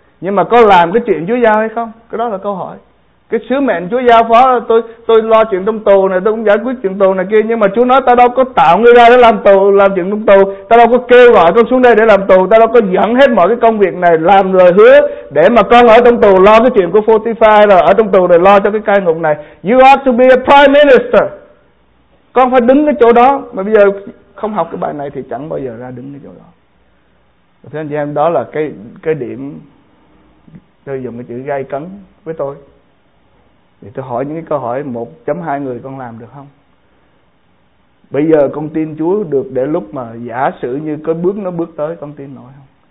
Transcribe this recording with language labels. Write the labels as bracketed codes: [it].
[vi] Nhưng mà có làm cái chuyện Chúa giao hay không? Cái đó là câu hỏi. Cái sứ mệnh Chúa giao phó là tôi lo chuyện trong tù này, tôi cũng giải quyết chuyện tù này kia, nhưng mà Chúa nói ta đâu có tạo ngươi ra để làm tù, làm chuyện trong tù. Ta đâu có kêu gọi con xuống đây để làm tù, ta đâu có dẫn hết mọi cái công việc này làm lời hứa để mà con ở trong tù lo cái chuyện của Fortify, rồi ở trong tù để lo cho cái cai ngục này. [en] You have to be a prime minister. [vi] Con phải đứng cái chỗ đó, mà bây giờ không học cái bài này thì chẳng bao giờ ra đứng cái chỗ đó. Thế anh chị em, đó là cái điểm tôi dùng cái chữ gay cấn với tôi. Thì tôi hỏi những cái câu hỏi, 1.2 người con làm được không? Bây giờ con tin Chúa được để lúc mà giả sử như có bước nó bước tới, con tin nổi không?